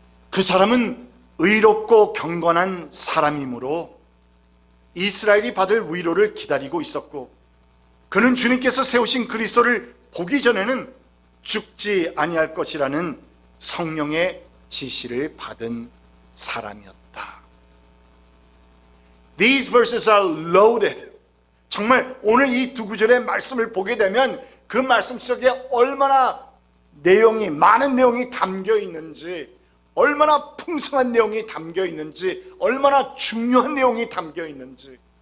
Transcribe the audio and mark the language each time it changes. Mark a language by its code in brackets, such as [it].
[ko] 그 사람은 의롭고 경건한 사람이므로 이스라엘이 받을 위로를 기다리고 있었고, 그는 주님께서 세우신 그리스도를 보기 전에는 죽지 아니할 것이라는 성령의 지시를 받은 사람이었다. [en] These verses are loaded. [ko] 정말 오늘 이 두 구절의 말씀을 보게 되면 그 말씀 속에 얼마나 내용이, 많은 내용이 담겨 있는지, 얼마나 풍성한 내용이 담겨 있는지, 얼마나 중요한 내용이 담겨 있는지.